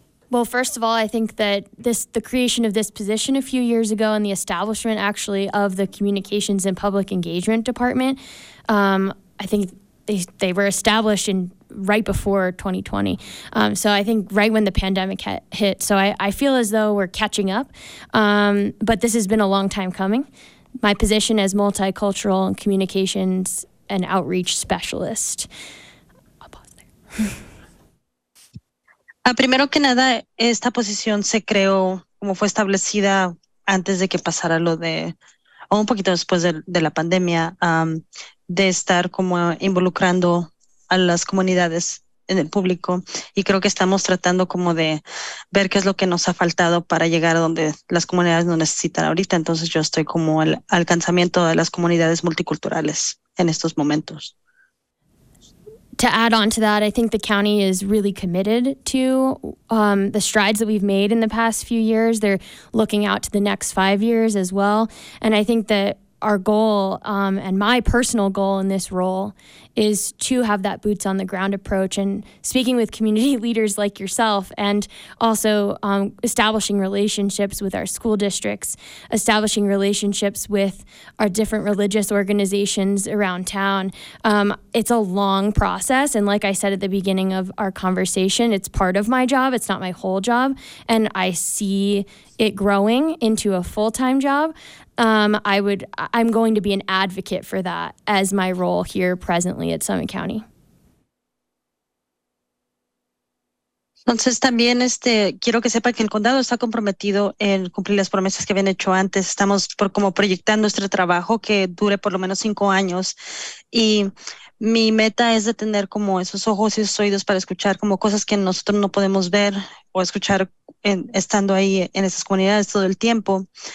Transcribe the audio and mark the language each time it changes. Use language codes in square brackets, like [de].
[en] Well, first of all, I think that the creation of this position a few years ago and the establishment actually of the Communications and Public Engagement Department, I think they were established in right before 2020. So I think right when the pandemic hit. So I feel as though we're catching up, but this has been a long time coming. My position as Multicultural and Communications and Outreach Specialist. I'll pause there. [es] Primero que nada, esta posición se creó, como fue establecida antes de que pasara o un poquito después de la pandemia, de estar como involucrando a las comunidades en el público y creo que estamos tratando como de ver qué es lo que nos ha faltado para llegar a donde las comunidades nos necesitan ahorita. Entonces yo estoy como al alcanzamiento de las comunidades multiculturales en estos momentos. [en] To add on to that, I think the county is really committed to the strides that we've made in the past few years. They're looking out to the next 5 years as well. And I think that our goal and my personal goal in this role is to have that boots on the ground approach and speaking with community leaders like yourself and also establishing relationships with our school districts, establishing relationships with our different religious organizations around town. It's a long process. And like I said at the beginning of our conversation, it's part of my job. It's not my whole job. And I see it growing into a full-time job. I'm going to be an advocate for that as my role here presently at Summit County. [es] Entonces también quiero que sepa que el condado está comprometido en cumplir las promesas que habían hecho antes. Estamos como proyectando este trabajo que dure por lo menos 5 años y mi meta es de tener como esos ojos y esos oídos para escuchar como cosas que nosotros no podemos ver o escuchar estando ahí en esas comunidades todo el tiempo.